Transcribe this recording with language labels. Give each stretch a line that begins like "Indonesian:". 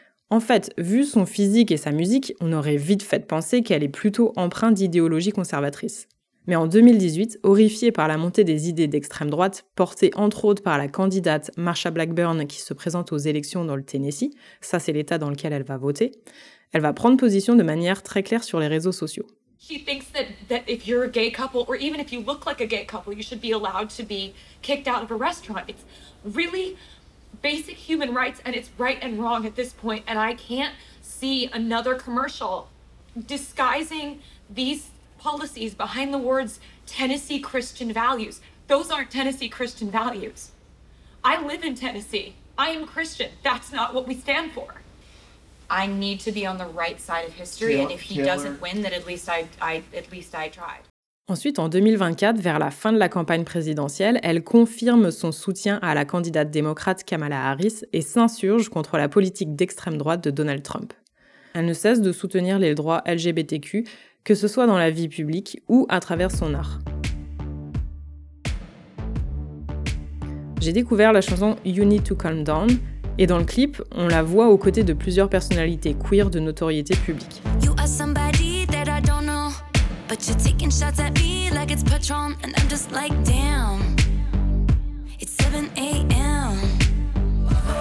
French: En fait, vu son physique et sa musique, on aurait vite fait penser qu'elle est plutôt empreinte d'idéologie conservatrice. Mais en 2018, horrifiée par la montée des idées d'extrême droite, portée entre autres par la candidate Marsha Blackburn qui se présente aux élections dans le Tennessee, ça c'est l'état dans lequel elle va voter, elle va prendre position de manière très claire sur les réseaux sociaux.
English: She thinks that if you're a gay couple, or even if you look like a gay couple, you should be allowed to be kicked out of a restaurant. It's really basic human rights, and it's right and wrong at this point, and I can't see another commercial disguising these policies behind the words Tennessee Christian values. Those aren't Tennessee Christian values. I live in Tennessee. I am Christian. That's not what we stand for. I need to be on the right side of history, and if he doesn't win, then at least I tried.
French: Ensuite, en 2024, vers la fin de la campagne présidentielle, elle confirme son soutien à la candidate démocrate Kamala Harris et s'insurge contre la politique d'extrême droite de Donald Trump. Elle ne cesse de soutenir les droits LGBTQ, que ce soit dans la vie publique ou à travers son art. J'ai découvert la chanson « You Need to Calm Down » et dans le clip, on la voit aux côtés de plusieurs personnalités queer de notoriété publique.
English: You are somebody that I don't know. But you're taking shots at me like it's Patron, and I'm just like, damn, it's 7 a.m.